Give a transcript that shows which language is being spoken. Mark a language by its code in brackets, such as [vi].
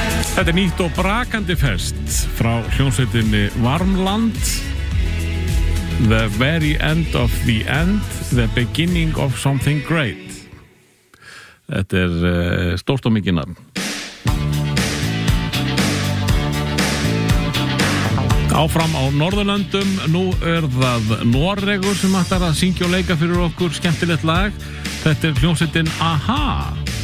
[is] Þetta er nýtt og brakandi fest frá hljómsveitinni Varmland. [en] The very end of the end, the beginning of something great. [is] Þetta er stórt og mikið nafn. Áfram á Norðurlöndum, nú það Noregur sem ætlar að syngja og leika fyrir okkur skemmtilegt lag. Þetta hljómsveitin AHA.